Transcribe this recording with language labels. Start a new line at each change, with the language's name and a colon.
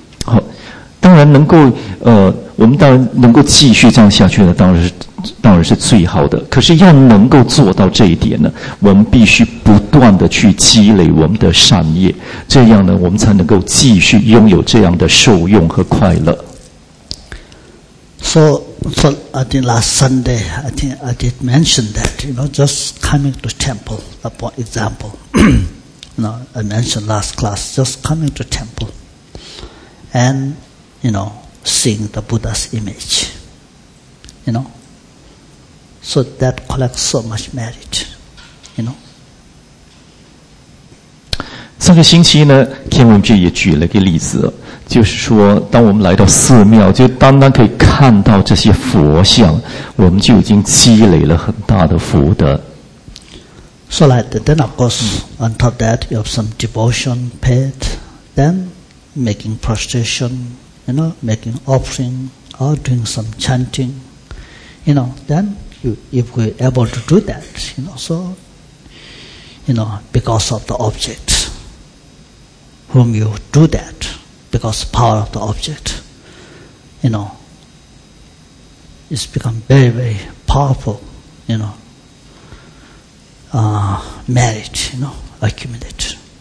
Chinese: 好，当然能够我们当然能够继续这样下去呢，当然是最好的。可是要能够做到这一点呢，我们必须不断的去积累我们的善业，这样呢，我们才能够继续拥有这样的受用和快乐。
English: So I think last Sunday, I think I did mention that, you know, just coming to temple, for example, you know, I mentioned last class, just coming to temple, and you know, seeing the Buddha's image, you know. So that collects so much merit, you know.
Chinese: 上个星期呢，天文界也举了个例子，就是说，当我们来到寺庙，就单单可以看到这些佛像，我们就已经积累了很大的福德。
English: So like then, of course, on top of that, you have some devotion paid, then making prostration, you know, making offering or doing some chanting, you know, then if we're able to do that, you know, so, you know, because of the object whom you do that, because power of the object, you know, it's become very, very powerful, you know, merit, you know, accumulate.